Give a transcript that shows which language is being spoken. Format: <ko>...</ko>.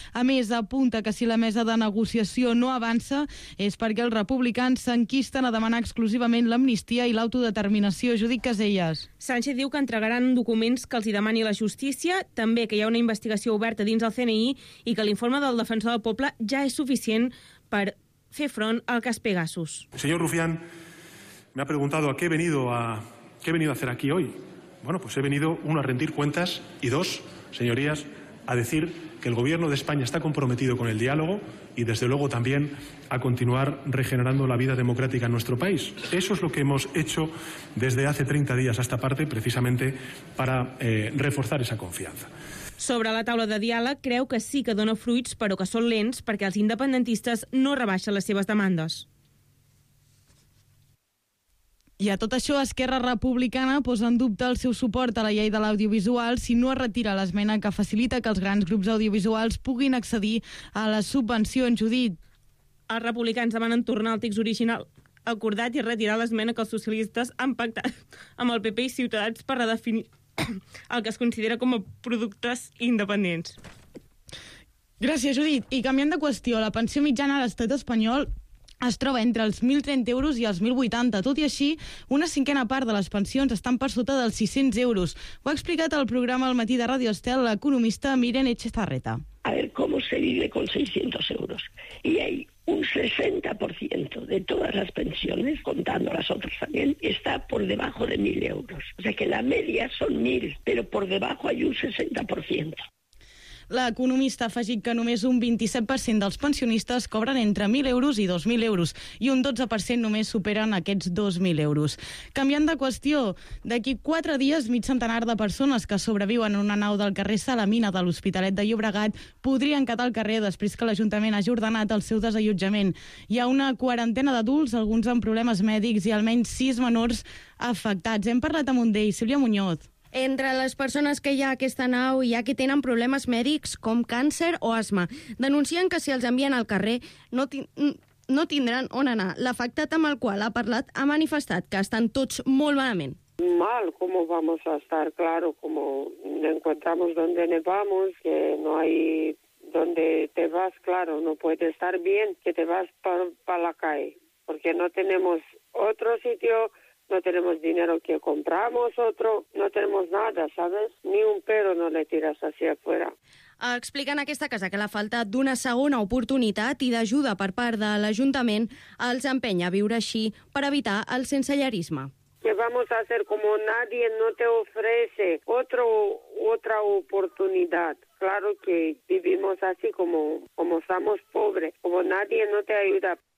<ca>A més, apunta que si la mesa de negociació no avança és perquè els republicans s'enquisten a demanar exclusivament l'amnistia i l'autodeterminació. Judit Caselles. Sánchez diu que entregaran documents que els hi demani la justícia, també que hi ha una investigació oberta dins el CNI i que l'informe del defensor del poble ja és suficient per fer front al cas Pegasus.</ca> <es>Señor Rufián, me ha preguntado a qué he venido a hacer aquí hoy. Bueno, pues he venido, uno, a rendir cuentas y dos, señorías, a decir que el gobierno de España está comprometido con el diálogo y desde luego también a continuar regenerando la vida democrática en nuestro país. Eso es lo que hemos hecho desde hace 30 días a esta parte, precisamente para reforzar esa confianza.</es> <ca>Sobre la taula de diàleg, creu que sí que dona fruits, però que són lents perquè els independentistes no rebaixen les seves demandes. I a tot això, Esquerra Republicana posa en dubte el seu suport a la llei de l'audiovisual si no es retira l'esmena que facilita que els grans grups audiovisuals puguin accedir a la subvenció. En Judit. Els republicans demanen tornar al text original acordat i retirar l'esmena que els socialistes han pactat amb el PP i Ciutadans per redefinir el que es considera com a productes independents. Gràcies, Judit. I canviant de qüestió, la pensió mitjana a l'estat espanyol es troba entre els 1.030 euros i els 1.080. Tot i així, una cinquena part de les pensions estan per sota dels 600 euros. Ho ha explicat al programa El Matí de Ràdio Estel l'economista Miren Etxezarreta.</ca> <es>A ver, ¿cómo se vive con 600 euros? Y hay un 60% de todas las pensiones, contando las otras también, está por debajo de 1.000 euros. O sea que la media son 1.000, pero por debajo hay un 60%.</es> <ca>L'economista ha afegit que només un 27% dels pensionistes cobren entre 1.000 euros i 2.000 euros i un 12% només superen aquests 2.000 euros. Canviant de qüestió, d'aquí 4 dies, mig centenar de persones que sobreviuen en una nau del carrer Salamina de l'Hospitalet de Llobregat podrien quedar al carrer després que l'Ajuntament hagi ordenat el seu desallotjament. Hi ha una quarantena d'adults, alguns amb problemes mèdics i almenys 6 menors afectats. Hem parlat amb un d'ells, Sílvia Muñoz. Entre les persones que hi ha a aquesta nau hi ha qui tenen problemes mèdics com càncer o asma. Denuncien que si els envien al carrer no tindran on anar. L'afectat amb el qual ha parlat ha manifestat que estan tots molt malament.</ca> <es>Mal, ¿cómo vamos a estar? Claro, como encontramos donde nos vamos, que no hay donde te vas, claro, no puedes estar bien, que te vas para la calle, porque no tenemos otro sitio. No tenemos dinero que compramos otro, no tenemos nada, ¿sabes? Ni un pero no le tiras hacia afuera.</es> <ca>Expliquen aquesta casa que la falta d'una segona oportunitat i d'ajuda per part de l'Ajuntament els empenya a viure així per evitar el sensellarisme.</ca> <es>¿Qué vamos a hacer como nadie no te ofrece otra oportunidad? Claro que vivimos así como estamos pobres, como nadie no te ayuda.</es>